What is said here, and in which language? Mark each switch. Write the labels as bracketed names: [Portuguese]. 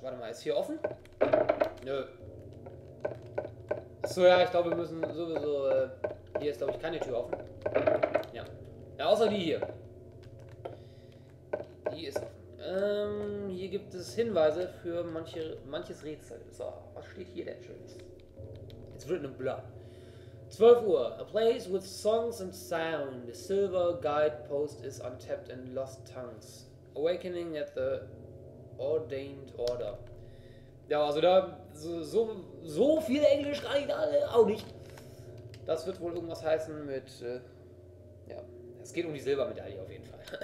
[German] Warte mal, ist hier offen? Nö. Achso, ja, ich glaube, wir müssen sowieso. Hier ist, glaube ich, keine Tür offen. Ja. Ja, außer die hier. Die ist offen. Hier gibt es Hinweise für manches Rätsel. So, was steht hier denn schön? [English] It's written in blood. [German] 12 Uhr. [English] A place with songs and sound. The silver guidepost is untapped in lost tongues. Awakening at the ordained order. [German] Ja, also da so viel Englisch reicht auch nicht. Das wird wohl irgendwas heißen mit. Ja, es geht um die Silbermedaille auf jeden Fall.